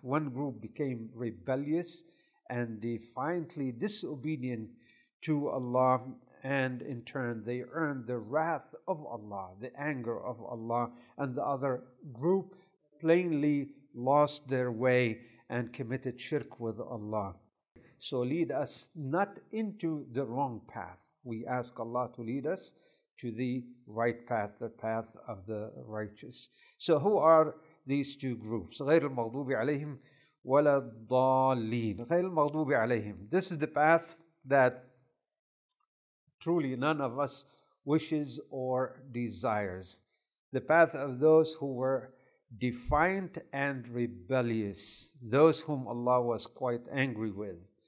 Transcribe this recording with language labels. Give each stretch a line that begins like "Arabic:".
English: One group became rebellious and defiantly disobedient to Allah, and in turn they earned the wrath of Allah, the anger of Allah, and the other group plainly lost their way and committed shirk with Allah. So lead us not into the wrong path. We ask Allah to lead us to the right path, the path of the righteous. So who are these two groups?
Arabic: غير المغضوب عليهم ولا الضالين. غير المغضوب عليهم.
English: This is the path that truly none of us wishes or desires. The path of those who were defiant and rebellious, those whom Allah was quite angry with.